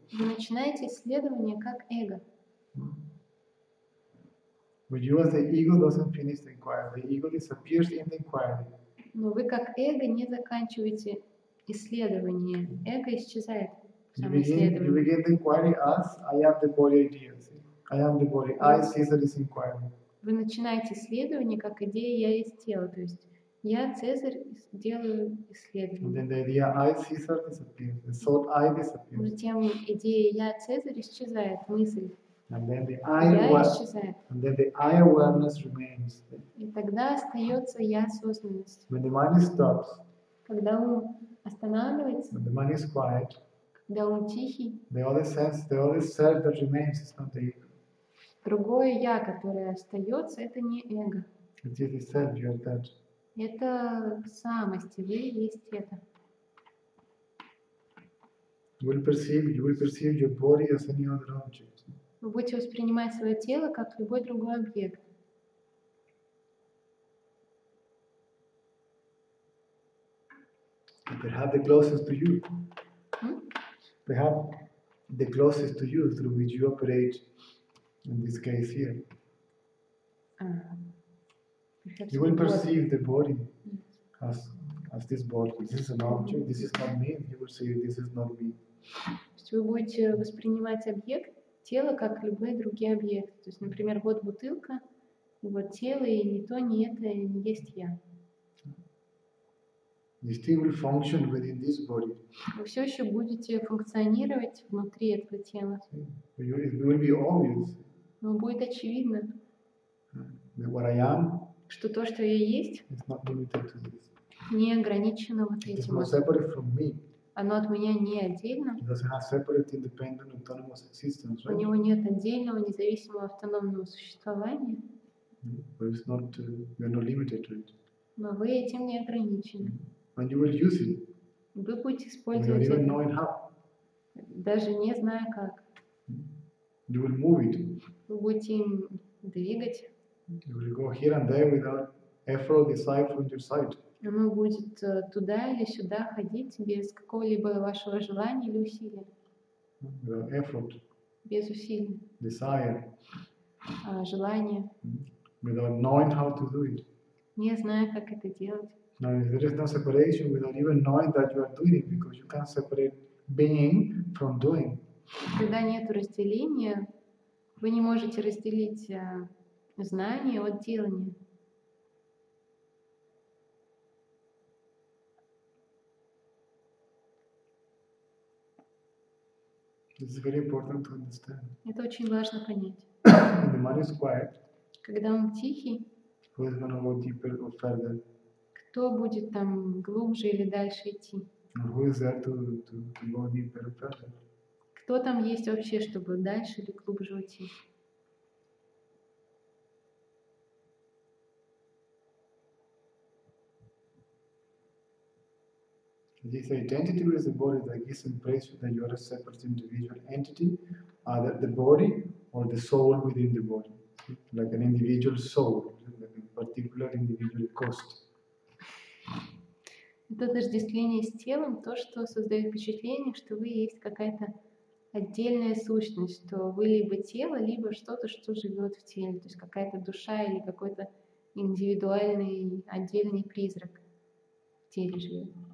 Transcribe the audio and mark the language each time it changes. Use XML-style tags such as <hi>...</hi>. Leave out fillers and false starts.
<ru>Вы начинаете исследование как эго.</ru> <en>But you, as the ego, doesn't finish the inquiry. The ego disappears in the inquiry.</en> <ru>Но вы как эго не заканчиваете исследование. Эго исчезает в самоисследовании.</ru> <en>You begin the inquiry as I am the body idea. I am the body. I see that is inquiry.</en> <ru>Вы начинаете исследование как идея «я есть тело». То есть я, Цезарь, делаю исследование.</ru> <en>And then the idea I see that disappears. The thought I disappears.</en> <ru>Затем идея «я, Цезарь» исчезает, мысль.</ru> <en>And then the I awareness, and then the I awareness remains.</en> <ru>И тогда остается я осознанность.</ru> <en>When the mind stops.</en> <ru>Когда ум останавливается.</ru> <en>When the mind is quiet.</en> <ru>Когда ум тихий.</ru> <en>The only sense, the only self that remains is not the ego.</en> <ru>Другое я, которое остается, это не эго.</ru> <en>It is the self, you are that.</en> <ru>Это самость, и вы есть это.</ru> <en>You will perceive your body as any other object.</en> <ru>Вы будете воспринимать свое тело как любой другой объект.</ru> <en>Perhaps the closest to you. Perhaps the closest to you through which you operate in this case here. You will perceive the body as this body. This is an object. This is not me. You will see this is not me.</en> <ru>Вы будете воспринимать объект. Тело, как любые другие объекты. То есть, например, вот бутылка, вот тело, и ни то, ни это, и не есть я.</ru> <en>You still will function within this body.</en> <ru>Вы все еще будете функционировать внутри этого тела.</ru> <en>It will be obvious.</en> <ru>Но будет очевидно,</ru> <en>that what I am,</en> <ru>что то, что я есть,</ru> <en>is not limited to this.</en> <ru>Не ограничено вот</ru> <en>it</en> <ru>этим.</ru> <en>It is not separate from me.</en> <ru>Оно от меня не отдельно.</ru> <en>It doesn't have separate, independent, autonomous existence, right?</en> <ru>У него нет отдельного, независимого, автономного существования.</ru> <en>But it's not, you're not limited to it.</en> <ru>Но вы этим не ограничены.</ru> <en>And you will use it.</en> <ru>Вы будете использовать</ru> <en>it. You're not even knowing how.</en> <ru>Даже не зная как.</ru> <en>You will move it.</en> <ru>Вы будете им двигать.</ru> <en>You will go here and there without effort, aside from your sight.</en> <ru>Оно будет туда или сюда ходить без какого-либо вашего желания или усилия.</ru> <en>Without effort.</en> <ru>Без усилий.</ru> <en>Desire.</en> <ru>Желание.</ru> <en>Without knowing how to do it.</en> <ru>Не зная, как это делать.</ru> <en>Now, there is no separation without even knowing that you are doing it, because you can't separate being from doing.</en> <ru>Когда нет разделения, вы не можете разделить знание от делания.</ru> <en>This is very important to understand.</en> <ru>Это очень важно понять.</ru> <en>When the mind is quiet,</en> <ru>когда он тихий,</ru> <en>who is going to go deeper or further?</en> <ru>Кто будет там глубже или дальше идти?</ru> <en>Who is there to go deeper or further?</en> <ru>Кто там есть вообще, чтобы дальше или глубже уйти?</ru> <en>This identity with the body that gives impression that you are a separate individual entity, either the body or the soul within the body, like an individual soul, like a particular individual cost.</en> <ru>Это отождествление с телом, то, что создает впечатление, что вы есть какая-то отдельная сущность, что вы либо тело, либо что-то, что живет в теле, то есть какая-то душа или какой-то индивидуальный отдельный призрак в теле живет.</ru>